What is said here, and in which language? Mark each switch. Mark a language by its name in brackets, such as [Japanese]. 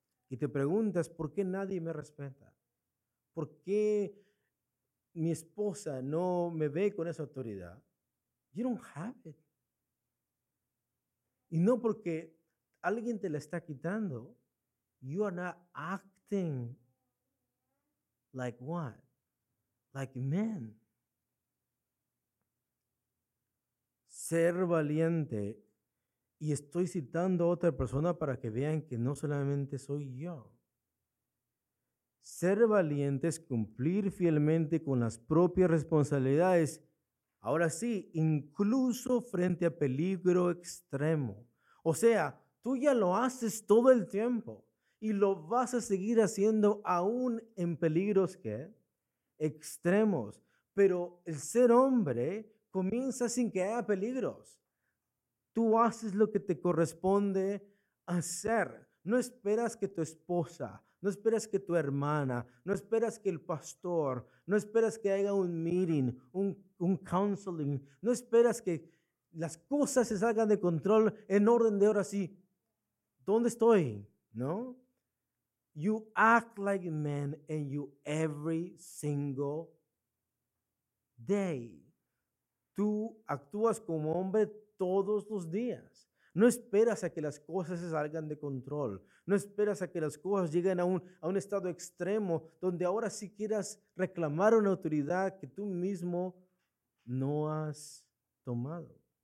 [Spanish] Y te preguntas, ¿por qué nadie me respeta? ¿Por qué mi esposa no me ve con esa autoridad? [English] You don't have it. [Spanish] Y no porque alguien te la está quitando. [English] You are not acting like what? Like men. [Spanish] Ser valiente. Y estoy citando a otra persona para que vean que no solamente soy yo. Ser valiente es cumplir fielmente con las propias responsabilidades. Ahora sí, incluso frente a peligro extremo. O sea, tú ya lo haces todo el tiempo. y lo vas a seguir haciendo aún en peligros que extremos. Pero el ser hombre comienza sin que haya peligros. Tú haces lo que te corresponde hacer. No esperas que tu esposa, no esperas que tu hermana, no esperas que el pastor, no esperas que haya un meeting, un counseling, no esperas que las cosas se salgan de control en orden de ahora sí. ¿Dónde estoy? ¿No? [English] You act like a man and you every single day. [Spanish] Tú actúas como hombre todos los días. No esperas a que las cosas se salgan de control. No esperas a que las cosas lleguen a un estado extremo donde ahora sí quieras reclamar una autoridad que tú mismo no has tomado.